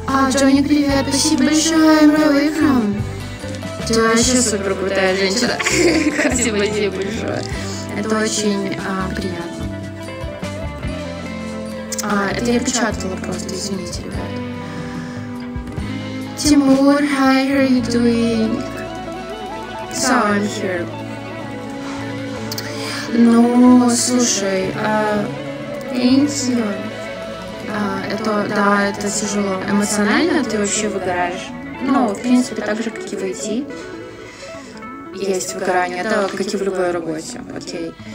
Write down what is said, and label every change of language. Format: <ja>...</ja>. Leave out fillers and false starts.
<ru>Джонни, привет, спасибо большое, мы выиграем. Ты вообще супер крутая женщина. Спасибо тебе большое. Это очень приятно. Это я печатала просто, извините, ребят.</ru> <en>Тимур, hi, how are you doing? So I'm here.</en> <ru>Ну, слушай, Эйнсион, это, да, это тяжело. Эмоционально ты вообще выгораешь? Ну, в принципе, так же, как и в IT. Есть выгорание, да, как и в любой работе, окей.</ru>